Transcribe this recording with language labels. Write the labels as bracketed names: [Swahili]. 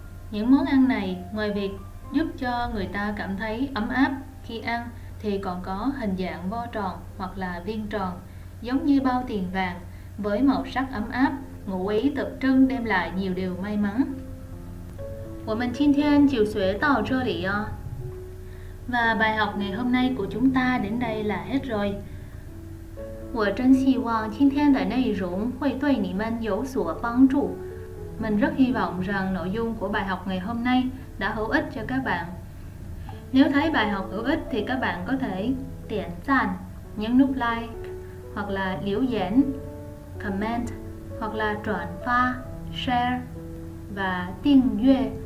[Vietnamese] Những món ăn này, ngoài việc giúp cho người ta cảm thấy ấm áp khi ăn, thì còn có hình dạng vo tròn hoặc là viên tròn, giống như bao tiền vàng, với màu sắc ấm áp, ngụ ý tượng trưng đem lại nhiều điều may mắn. [Chinese] 我们今天就学到这里哦。 [Vietnamese] Và bài học ngày hôm nay của chúng ta đến đây là hết rồi. [Chinese] 我真希望今天的内容会对你们有所帮助。 [Vietnamese] Mình rất hy vọng rằng nội dung của bài học ngày hôm nay đã hữu ích cho các bạn. Nếu thấy bài học hữu ích thì các bạn có thể điểm赞, nhấn nút like, hoặc là lưu diễn, comment, hoặc là chuyển pha, share và đăng ký.